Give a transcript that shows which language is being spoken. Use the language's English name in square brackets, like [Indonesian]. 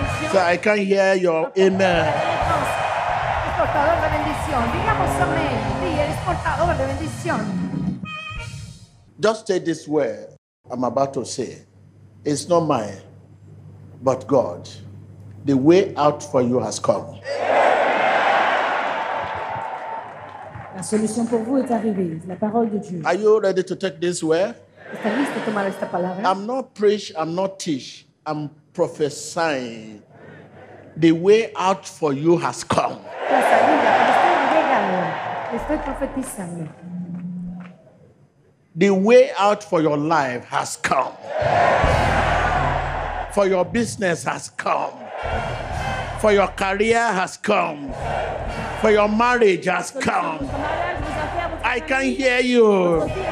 [English] So I can hear your amen. Just say this word I'm about to say. It's not mine, but God. The way out for you has come. [French] La solution pour vous est arrivée, la parole de Dieu. [English] Are you ready to take this word? [Spanish] ¿Estás listo a tomar esta palabra? [English] I'm not preach, I'm not teach, I'm prophesying. The way out for you has come. [Spanish] La salida, estoy profetizando. [English] The way out for your life has come. For your business has come. For your career has come. For your marriage has come. I can hear you.